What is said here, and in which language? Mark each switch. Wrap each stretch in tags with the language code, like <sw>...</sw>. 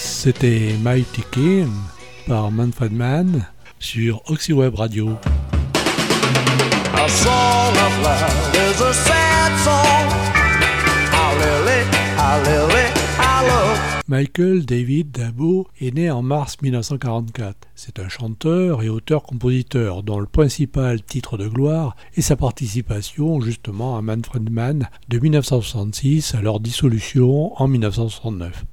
<fr>c'était Mighty King par Manfred Mann sur OxyWeb Radio.</fr> <en>A song of love is a sad song. Alleluia, alleluia.</en> <fr>Michael David Dabo est né en mars 1944. C'est un chanteur et auteur-compositeur dont le principal titre de gloire est sa participation justement à Manfred Mann de 1966 à leur dissolution en 1969.</fr>